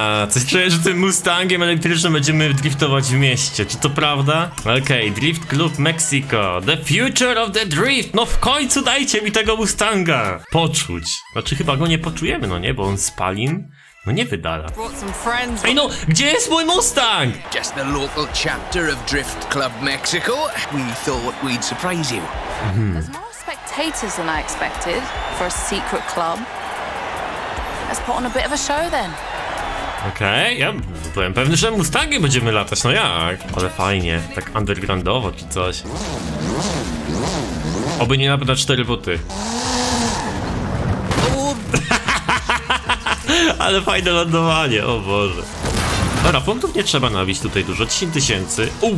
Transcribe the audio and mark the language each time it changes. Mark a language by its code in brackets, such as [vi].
[pl] Coś czuję, że tym Mustangiem elektrycznym będziemy driftować w mieście, czy to prawda? [en] Okej, Drift Club Mexico, the future of the drift! [pl] No w końcu dajcie mi tego Mustanga! Poczuć. Znaczy chyba go nie poczujemy, no nie, bo on spalin? No nie wydala. Ej no, gdzie jest mój Mustang? [en] Just the local chapter of Drift Club Mexico. We thought we'd surprise you. Spectators than I expected for a secret club. Let's put on a bit of a show then. [pl] Okej, ja byłem pewny, że Mustangi będziemy latać, no jak? Ale fajnie, tak undergroundowo czy coś. Oby nie nabyć na cztery buty. Ale fajne lądowanie, o Boże. Dobra, punktów nie trzeba nabić tutaj dużo, 10 tysięcy.